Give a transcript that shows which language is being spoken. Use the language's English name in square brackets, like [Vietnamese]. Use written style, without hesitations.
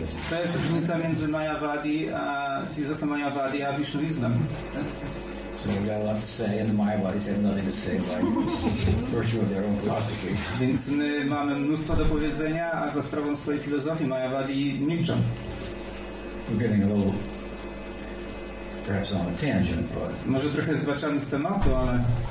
[Polish] To jest różnica między Mayavadi a filozofią Mayavadi a Vishnuizmem. [English] So we've got a lot to say, and the Mayavadis have nothing to say by virtue of their own philosophy. [Polish] Więc my mamy mnóstwo do powiedzenia, a za sprawą swojej filozofii Mayavadi milczą. [English] We're getting a little, perhaps on a tangent, but... [Polish] Może trochę zbaczamy z tematu, ale...